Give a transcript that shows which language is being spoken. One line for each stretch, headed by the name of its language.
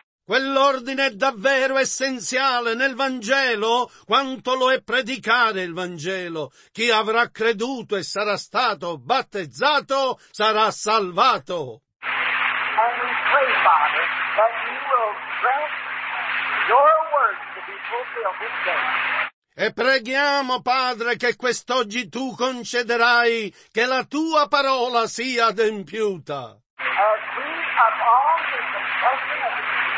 Italian: Quell'ordine è davvero essenziale nel Vangelo, quanto lo è predicare il Vangelo. Chi avrà creduto e sarà stato battezzato sarà salvato.
English: And we pray, Father, that you will grant your words to be fulfilled this day.
Italian: E preghiamo, Padre, che quest'oggi tu concederai che la tua parola sia adempiuta.
English: As we have all the confession of